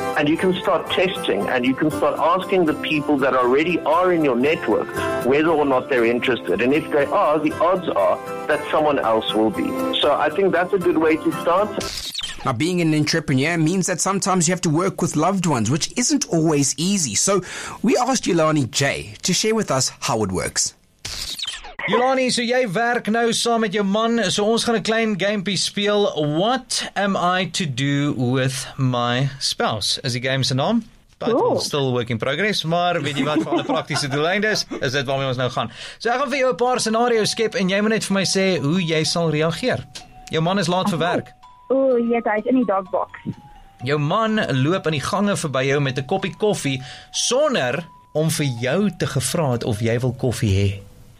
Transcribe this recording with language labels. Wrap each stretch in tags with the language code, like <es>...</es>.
<en>And you can start testing and you can start asking the people that already are in your network whether or not they're interested. And if they are, the odds are that someone else will be. So I think that's a good way to start. Now, being an entrepreneur means that sometimes you have to work with loved ones, which isn't always easy. So we asked Yolani J to share with us how it works.</en> <af>Yolani, so jy werk nou saam met jou man, so ons gaan 'n klein gamepie speel.</af> <en>What am I to do with my spouse?</en> <af>Is die game se naam?</af> <en>But cool. Still work in progress,</en> <af>maar weet jy wat van die praktiese doeleinde is, is dit waarmee ons nou gaan. So ek gaan vir jou 'n paar scenario's skep en jy moet net vir my sê hoe jy sal reageer. Jou man is laat vir werk. Hy is in die dog box. Jou man loop in die gange verby jou met 'n koppie koffie sonder om vir jou te gevra het of jy wil koffie hê.</af>